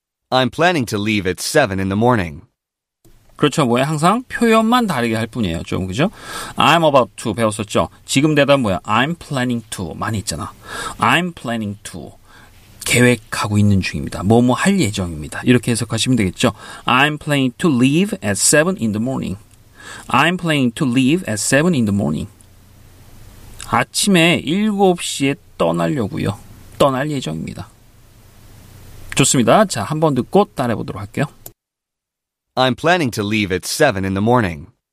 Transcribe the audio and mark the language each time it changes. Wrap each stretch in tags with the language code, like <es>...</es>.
<en>I'm planning to leave at 7 in the morning.</en> <ko>그렇죠. 뭐야? 항상 표현만 다르게 할 뿐이에요. 좀, 그죠?</ko> <en>I'm about to</en> <ko>배웠었죠. 지금 대답 뭐야?</ko> <en>I'm planning to.</en> <ko>많이 있잖아.</ko> <en>I'm planning to.</en> <ko>계획하고 있는 중입니다. 뭐뭐 할 예정입니다. 이렇게 해석하시면 되겠죠.</ko> <en>I'm planning to leave at 7 in the morning. I'm planning to leave at 7 in the morning.</en> <ko>아침에 7시에 떠나려고요. 떠날 예정입니다. 좋습니다. 자, 한번 듣고 따라해 보도록 할게요.</ko> <en>I'm planning to leave at 7 in the morning.</en>